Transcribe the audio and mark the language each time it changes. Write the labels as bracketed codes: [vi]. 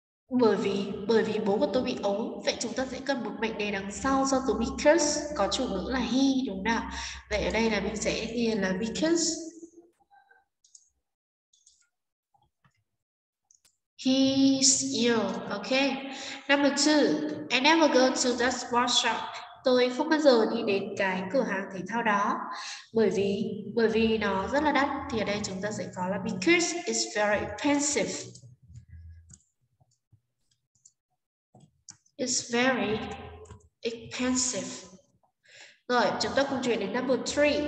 [vi] Bởi vì bố của tôi bị ốm, vậy chúng ta sẽ cần một mệnh đề đằng sau do từ because có chủ ngữ là he, đúng nào? Vậy ở đây là mình sẽ ghi là [en] because he's ill. Ok, number 2, I never go to that sports shop. [vi] Tôi không bao giờ đi đến cái cửa hàng thể thao đó, bởi vì nó rất là đắt. Thì ở đây chúng ta sẽ có là [en] because it's very expensive. It's very expensive. [vi] Rồi, chúng ta cùng chuyển đến number 3.